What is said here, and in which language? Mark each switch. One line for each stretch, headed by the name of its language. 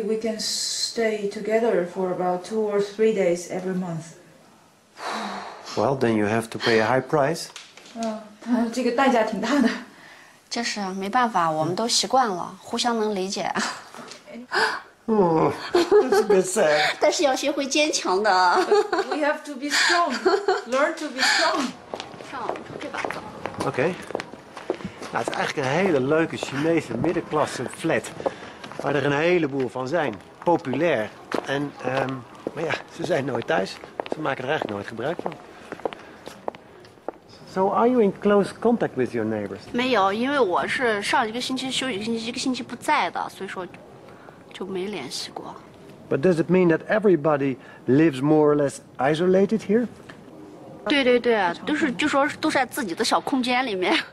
English: we can stay together for about 2 or 3 days every month. Well, then you have to pay a high price.
Chinese: 嗯，他这个代价挺大的。就是没办法，我们都习惯了，互相能理解。
English: Oh, that's a bit sad.
Chinese: 但是要学会坚强的。We
English: have to be strong. Learn to be strong.
Chinese: 上这把走。Okay. 那是
Dutch: eigenlijk een hele leuke Chinese middenklasse flat, waar er een heleboel van zijn, populair. En, maar ja, ze zijn nooit thuis. Ze maken er eigenlijk nooit gebruik van.
English: So are you in close contact with your neighbors?
Chinese: 没有，因为我是上一个星期休息，一个星期不在的，所以说。就没联系过。
English: But does it mean that everybody lives more or less isolated here?
Chinese: 对对对，都是就说都在自己的小空间里面。